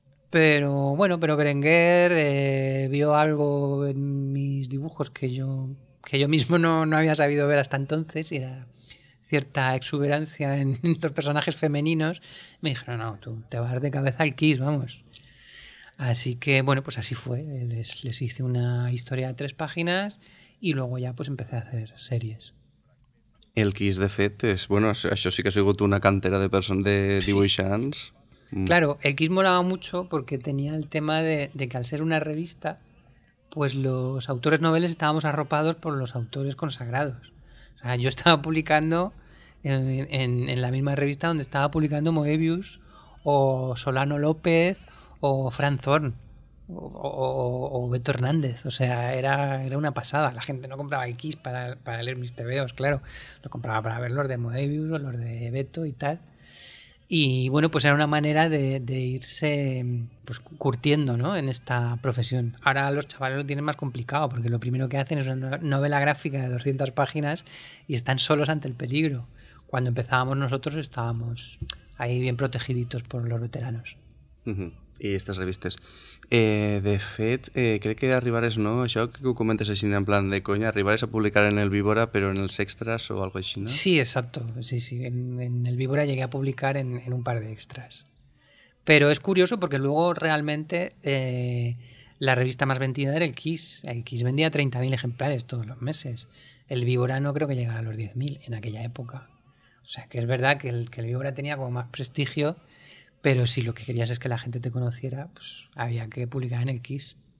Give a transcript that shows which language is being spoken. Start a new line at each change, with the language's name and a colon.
Spanish: Pero bueno, pero Berenguer vio algo en mis dibujos que yo mismo no había sabido ver hasta entonces, y era cierta exuberancia en los personajes femeninos, me dijeron, no, tú te vas de cabeza al Kiss, vamos. Así que, bueno, pues así fue. Les hice una historia de 3 páginas y luego ya pues empecé a hacer series.
Catalan: El Kiss, de fet, és, bueno, això sí que ha sigut una cantera de persones de dibuixants.
Spanish: Claro, el Kiss molava mucho porque tenía el tema de que al ser una revista, pues los autores noveles estábamos arropados por los autores consagrados. O sea, yo estaba publicando en la misma revista donde estaba publicando Moebius o Solano López o Fran Zorn o Beto Hernández. O sea, era una pasada. La gente no compraba el Kiss para leer mis tebeos, claro. Lo compraba para ver los de Moebius o los de Beto y tal. Y bueno, pues era una manera de irse pues curtiendo, ¿no?, en esta profesión. Ahora los chavales lo tienen más complicado porque lo primero que hacen es una novela gráfica de 200 páginas y están solos ante el peligro. Cuando empezábamos nosotros estábamos ahí bien protegiditos por los veteranos. Uh-huh. Y estas revistas.
Catalan: De fet, crec que arribaràs, no? Això que ho comentes així en plan de conya, arribaràs a publicar en el Víbora, però en els extras o algo així, no?
Spanish: Sí, exacto. Sí, sí. En el Víbora llegué a publicar en un par de extras. Pero es curioso porque luego realmente la revista más vendida era el Kiss. El Kiss vendía 30.000 ejemplares todos los meses. El Víbora no creo que llegara a los 10.000 en aquella época. O sea, que es verdad que el Víbora tenía como más prestigio. Pero si lo que querías es que la gente te conociera, pues había que publicar en el Kiss.